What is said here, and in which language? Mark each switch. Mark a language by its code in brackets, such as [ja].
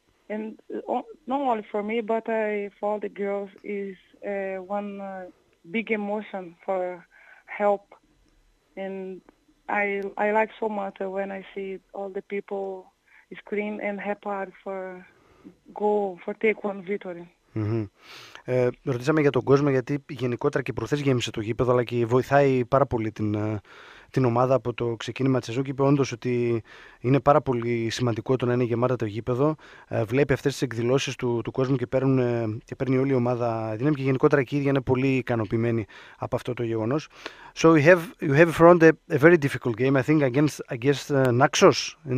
[en] And not only for me, but for all the girls, is one big emotion for help. And I like so much when I see all the people scream and help out for take one victory. [el] Ρωτήσαμε για τον κόσμο, γιατί γενικότερα και προχθές γέμισε το γήπεδο, αλλά και βοηθάει πάρα πολύ την ομάδα από το ξεκίνημα της σεζόν, και είπε όντως ότι είναι πάρα πολύ σημαντικό το να είναι γεμάτα το γήπεδο. Βλέπει αυτές τις εκδηλώσεις του κόσμου και παίρνει όλη η ομάδα δύναμη, και γενικότερα και η ίδια είναι πολύ ικανοποιημένη από αυτό το γεγονός. [en] So you have front a very difficult game, I think, against Naxos.